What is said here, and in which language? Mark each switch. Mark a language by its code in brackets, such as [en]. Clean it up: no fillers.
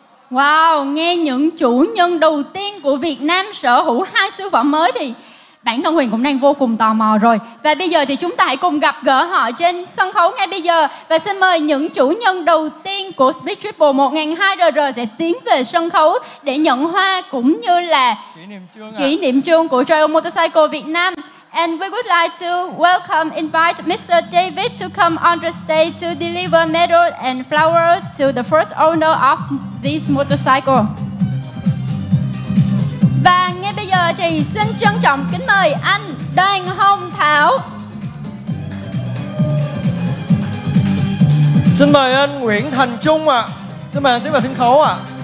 [vi] Wow, nghe những chủ nhân đầu tiên của Việt Nam sở hữu hai siêu phẩm mới thì bản thân Huyền cũng đang vô cùng tò mò rồi. Và bây giờ thì chúng ta hãy cùng gặp gỡ họ trên sân khấu ngay bây giờ. Và xin mời những chủ nhân đầu tiên của Speedtriple 1200RR sẽ tiến về sân khấu để nhận hoa cũng như là kỷ niệm chương của Triumph Motorcycle Việt Nam. [en] And we would like to welcome, invite Mr. David to come on the stage to deliver medal and flowers to the first owner of this motorcycle. [vi] Và ngay bây giờ thì xin trân trọng kính mời anh Đoàn Hồng Thảo. Xin mời anh Nguyễn Thành Trung ạ. Xin mời anh tiến vào sân khấu ạ.